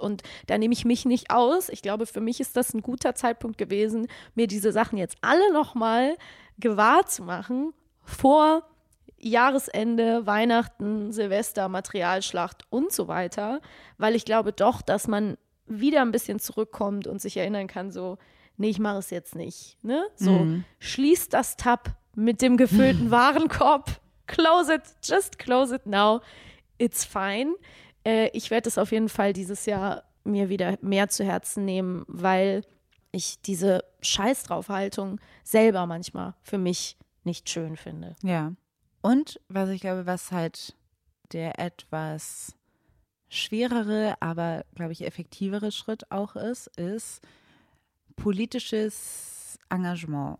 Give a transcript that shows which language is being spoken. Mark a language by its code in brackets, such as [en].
[de] Und da nehme ich mich nicht aus. Ich glaube, für mich ist das ein guter Zeitpunkt gewesen, mir diese Sachen jetzt alle nochmal gewahr zu machen vor Jahresende, Weihnachten, Silvester, Materialschlacht und so weiter, weil ich glaube doch, dass man wieder ein bisschen zurückkommt und sich erinnern kann, so, nee, ich mache es jetzt nicht. Ne? So, schließ das Tab mit dem gefüllten Warenkorb. [en] Close it, just close it now. It's fine. [de] Ich werde es auf jeden Fall dieses Jahr mir wieder mehr zu Herzen nehmen, weil ich diese Scheißdraufhaltung selber manchmal für mich nicht schön finde. Ja. Und was ich glaube, was halt der etwas schwerere, aber glaube ich effektivere Schritt auch ist, ist politisches Engagement.